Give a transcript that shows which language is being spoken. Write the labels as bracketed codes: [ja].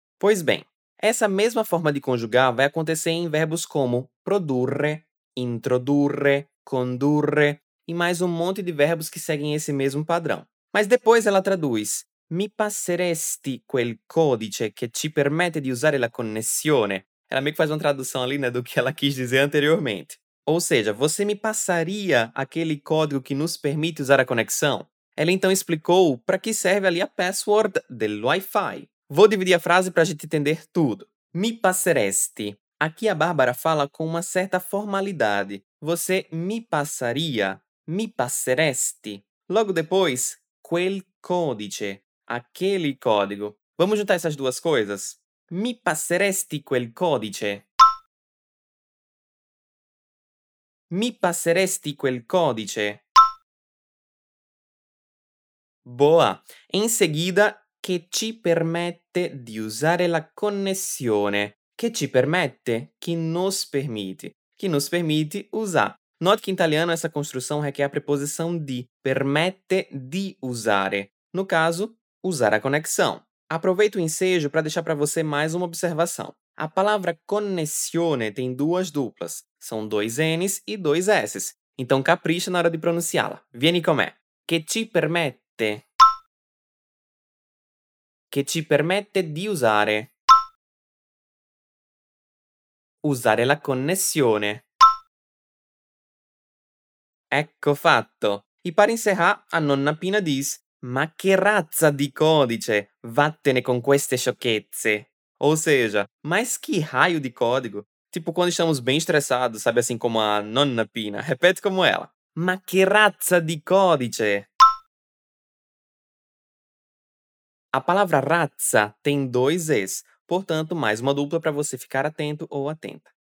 [pt] Pois bem, essa mesma forma de conjugar vai acontecer em verbos como produrre, introdurre, condurre e mais um monte de verbos que seguem esse mesmo padrão. Mas depois ela traduz [it] Mi passeresti quel codice che ci permette di usare la connessione? [pt] Ela meio que faz uma tradução ali, né, do que ela quis dizer anteriormente. Ou seja, você me passaria aquele código que nos permite usar a conexão? Ela então explicou para que serve ali a password do Wi-Fi. Vou dividir a frase para a gente entender tudo. [it] Mi passeresti. [pt] Aqui a Bárbara fala com uma certa formalidade. Você me passaria. [it] Mi passeresti. [pt] Logo depois, [it] quel codice. [pt] Aquele código. Vamos juntar essas duas coisas? [it] Mi passeresti quel codice? Mi passeresti quel codice? Boa! In seguida, che ci permette di usare la connessione? Che ci permette? [pt] Che nos permite? Che nos permite usar? Note que em italiano essa construção requer a preposição di. [it] Permette di usare. [pt] No caso, usar a conexão. Aproveito o ensejo para deixar para você mais uma observação. A palavra connessione tem duas duplas. São dois N's e dois S's. Então capricha na hora de pronunciá-la. [it] Vieni com me. Che ci permette. Che ci permette di usare. Usare la connessione. Ecco fatto. [pt] E per encerrar, a nonna Pina diz: [it] ma che razza di codice? Vattene con queste sciocchezze. [pt] Ou seja, mas que raio de código? Tipo quando estamos bem estressados, sabe, assim como a nonna Pina. Repete como ela. [it] Ma che razza di codice? [pt] A palavra razza tem dois Es. Portanto, mais uma dupla para você ficar atento ou atenta.